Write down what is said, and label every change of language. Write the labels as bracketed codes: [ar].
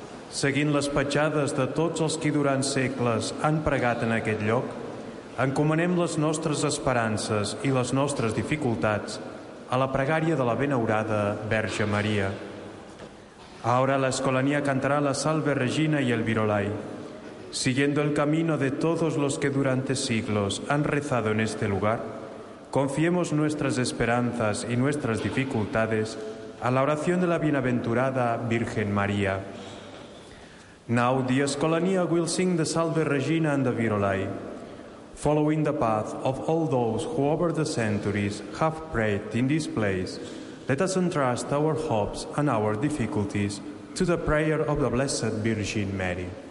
[ca] Seguint les petjades de tots els qui durant segles han pregat en aquest lloc, encomanem les nostres esperances i les nostres dificultats a la pregària de la benaurada Verge Maria. Ara l'Escolania cantarà la Salve Regina i el Virolai, [es] siguiendo el camino de todos los que durante siglos han rezado en este lugar, confiemos nuestras esperanzas y nuestras dificultades a la oración de la bienaventurada Virgen María. [en] Now the Escolania will sing the Salve Regina and the Virolai, following the path of all those who over the centuries have prayed in this place. Let us entrust our hopes and our difficulties to the prayer of the Blessed Virgin Mary.